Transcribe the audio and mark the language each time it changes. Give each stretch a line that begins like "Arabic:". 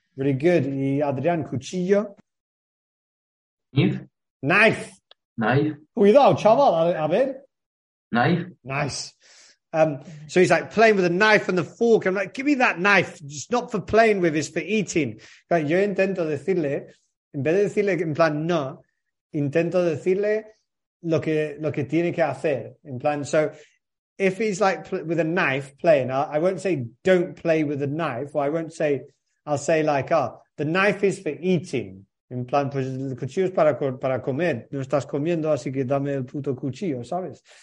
English: Really good.
Spanish: Y Adrián, cuchillo.
English: Knife. Knife.
Spanish: Cuidado, chaval, a ver.
English: Knife. Nice. So he's like playing with a knife and the fork. I'm like, give me that knife. It's not for playing with, it's for eating.
Spanish: Yo intento decirle, en vez de decirle en plan no, intento decirle lo que tiene que hacer. En plan,
English: so if he's like with a knife playing, I won't say don't play with a knife, or I won't say, I'll say like, ah, the knife is for eating.
Spanish: En plan, pues el cuchillo es para comer. No estás comiendo, así que dame el puto cuchillo, ¿sabes?